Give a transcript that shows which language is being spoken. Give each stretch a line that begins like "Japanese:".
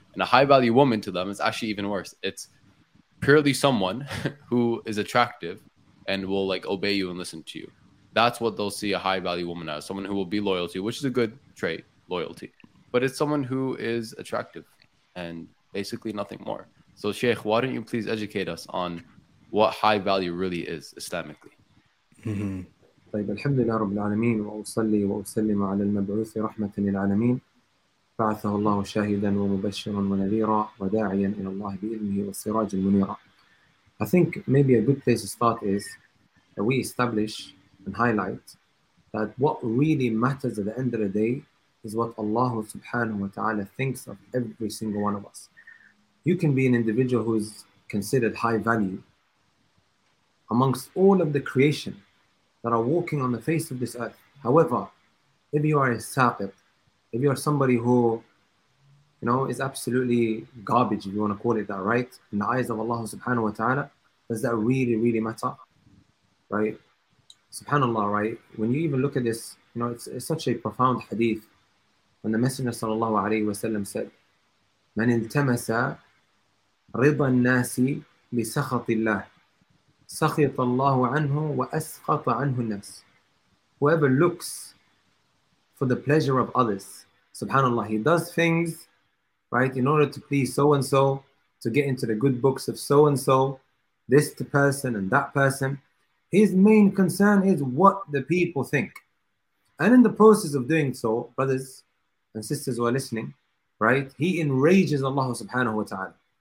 English: And a high-value woman to them is actually even worse. It's purely someone who is attractive and will like obey you and listen to you. That's what they'll see a high-value woman as, someone who will be loyal to you, which is a good trait, loyalty. But it's someone who is attractive and basically nothing more. So, Sheikh, why don't you please educate us on what high-value really is, Islamically? Mm-hmm.
Arabic: طيب الحمد لله رب العالمين وأصلي وأسلم على المبعوث رحمة للعالمين بعثه الله شاهدا ومبشرا ونذيرا وداعيا إلى الله بإذنه والسراج المنيرا.
English: I think maybe a good place to start is that we establish and highlight that what really matters at the end of the day is what Allah subhanahu wa ta'ala thinks of every single one of us. You can be an individual who is considered high value amongst all of the creation that are walking on the face of this earth. However, if you are a saqit, if you are somebody who, you know, is absolutely garbage, if you want to call it that, right? In the eyes of Allah subhanahu wa ta'ala, does that really, really matter? Right? Subhanallah, right? When you even look at this, you know, it's such a profound hadith. When the Messenger sallallahu alayhi wa sallam said,
Arabic: من التمس رضا الناس بسخط الله سخط الله عنه وأسخط عنه الناس.
English: Whoever looks for the pleasure of others, subhanallah, he does things, right, in order to please so-and-so, to get into the good books of so-and-so, this person and that person. His main concern is what the people think. And in the process of doing so, brothers and sisters who are listening, right, he enrages Allah subhanahu wa ta'ala.